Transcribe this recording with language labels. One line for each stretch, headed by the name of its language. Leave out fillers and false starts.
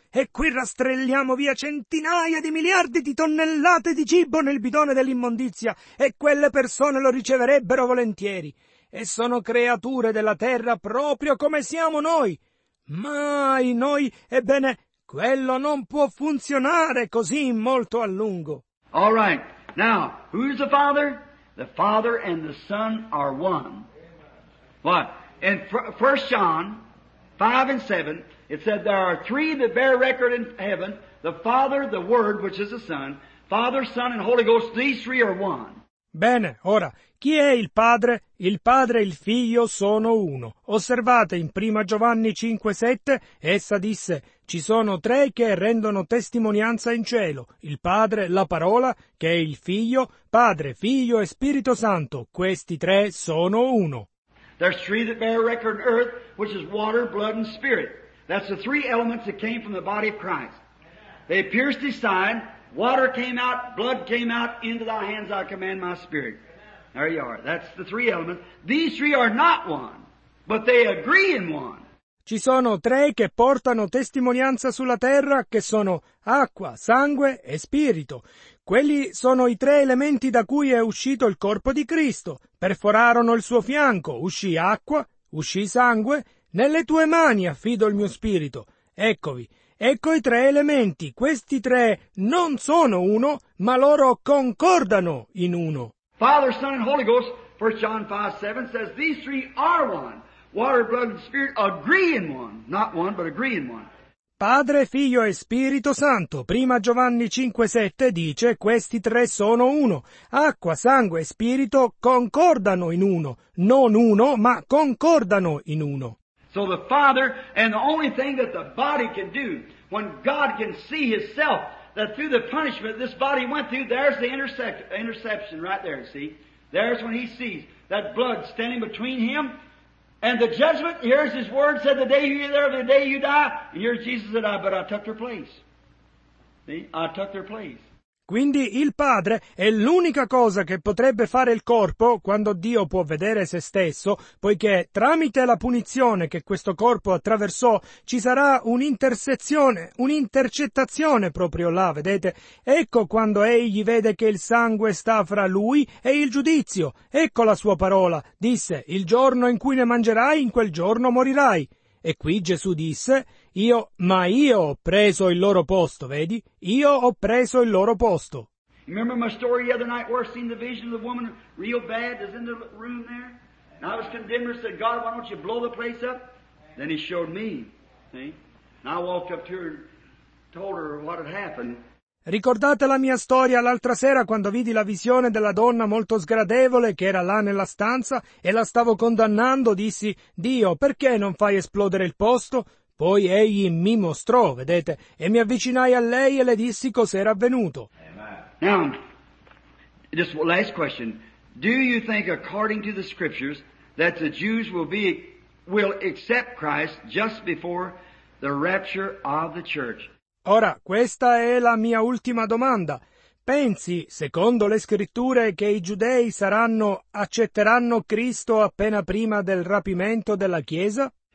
Italian: E qui rastrelliamo via centinaia di miliardi di tonnellate di cibo nel bidone dell'immondizia, e quelle persone lo riceverebbero volentieri. E sono creature della terra proprio come siamo noi. Mai noi, ebbene, quello non può funzionare così molto a lungo.
English: All right, now, who's the Father? The Father and the Son are one. What? In 1 John 5 and 7, it said there are three that bear record in heaven, the Father, the Word, which is the Son, Father, Son, and Holy Ghost, these three are one.
Italian: Bene, ora, chi è il Padre? Il Padre e il Figlio sono uno. Osservate in 1 Giovanni 5, 7, essa disse, ci sono tre che rendono testimonianza in cielo, il Padre, la Parola, che è il Figlio, Padre, Figlio e Spirito Santo, questi tre sono uno.
English: There's three that bear record on earth, which is water, blood, and spirit. That's the three elements that came from the body of Christ. They pierced his side, water came out, blood came out, into thy hands I command my spirit. There you are. That's the three elements. These three are not one, but they agree in one.
Italian: Ci sono tre che portano testimonianza sulla terra, che sono acqua, sangue e spirito. Quelli sono i tre elementi da cui è uscito il corpo di Cristo. Perforarono il suo fianco, uscì acqua, uscì sangue. Nelle tue mani affido il mio spirito. Eccovi, ecco i tre elementi. Questi tre non sono uno, ma loro concordano in uno.
English: Father, Son, and Holy Ghost, 1 John 5, 7, says these three are one. Water, blood, and spirit agree in one. Not one, but agree in one.
Italian: Padre, Figlio e Spirito Santo, 1 Giovanni 5, 7 dice questi tre sono uno. Acqua, sangue e spirito concordano in uno. Non uno, ma concordano in uno.
English: So the Father, and the only thing that the body can do, when God can see himself, that through the punishment this body went through, there's the interception right there, see? There's when he sees that blood standing between him. And the judgment, here's his word, said the day you're there, the day you die. And here's Jesus said, I took their place. See? I took their place.
Italian: Quindi il Padre è l'unica cosa che potrebbe fare il corpo quando Dio può vedere se stesso, poiché tramite la punizione che questo corpo attraversò ci sarà un'intercettazione proprio là, vedete? Ecco quando egli vede che il sangue sta fra lui e il giudizio. Ecco la sua parola, disse, il giorno in cui ne mangerai, in quel giorno morirai. E qui Gesù disse, io ho preso il loro posto, vedi? Io ho preso il loro posto.
English: Remember my story the other night where I seen the vision of the woman real bad that's in the room there? And I was condemned and said, God, why don't you blow the place up? Then he showed me, see? And I walked up to her and told her what had happened.
Italian: Ricordate la mia storia l'altra sera quando vidi la visione della donna molto sgradevole che era là nella stanza e la stavo condannando, dissi, Dio, perché non fai esplodere il posto? Poi egli mi mostrò, vedete, e mi avvicinai a lei e le dissi cos'era avvenuto.
English: Now, just last question. Do you think according to the scriptures that the Jews will accept Christ just before the rapture of the church?
Italian: Ora, questa è la mia ultima domanda. Pensi, secondo le scritture, che i giudei accetteranno Cristo appena prima del rapimento della Chiesa?